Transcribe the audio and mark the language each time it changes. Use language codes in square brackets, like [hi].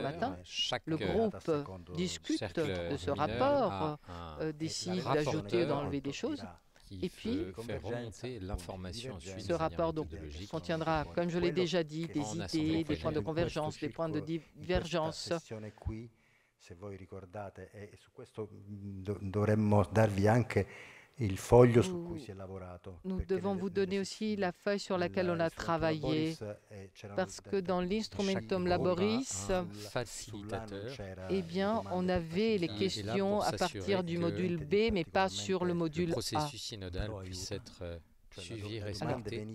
[fr] matin, le groupe discute de ce rapport, décide d'ajouter ou d'enlever des choses. Et puis, remonter l'information ce rapport donc, contiendra, comme je l'ai déjà dit, des idées, des points de convergence, des points de divergence. [it] Se voi ricordate, e su questo dovremmo darvi anche il foglio su cui si è lavorato. [fr] Nous devons vous donner aussi la feuille sur laquelle on a travaillé, parce que dans l'instrumentum laboris, facilitateur, eh bien, on avait les questions à partir du module B, mais pas sur le module A. Le processus synodal puisse être suivi, respecté.